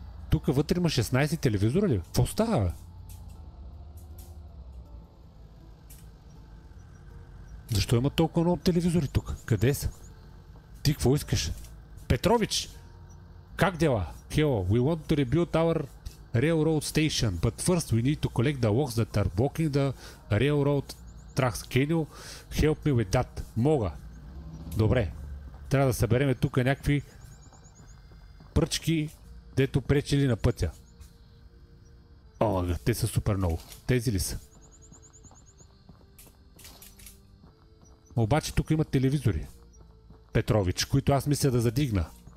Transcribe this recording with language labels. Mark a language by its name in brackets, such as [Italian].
[Bulgarian] Тук вътре има 16 телевизора ли? Какво става, бе? Защо има толкова много телевизори тук? Къде са? Ти какво искаш? Петрович! [Russian] Как дела? [English] Hello, we want to rebuild our railroad station, but first we need to collect the logs that are blocking the railroad tracks. Can you help me with that? [Bulgarian] Мога. Добре. Трябва да съберем тук някакви пръчки, дето пречили на пътя. О, те са супер много. Тези ли са? Обаче тук има телевизори, Петрович, които аз мисля да задигна.